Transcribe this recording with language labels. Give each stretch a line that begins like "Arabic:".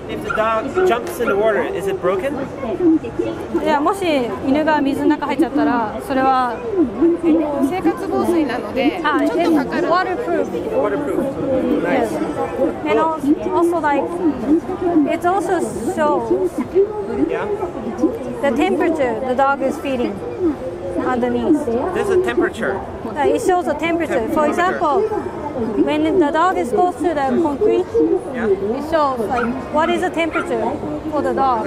English: If the dog jumps in the water, is it broken?
Japanese: いや、もし犬が水の中入っちゃったら、それは生活防水なので、ちょっとかかる。
English: Waterproof. Waterproof. Nice. Yes. And also like, it also shows the temperature the dog is feeling. Underneath. There's a temperature. It shows a temperature. For example, when the dog is close to the concrete, it shows like what is the temperature for the dog.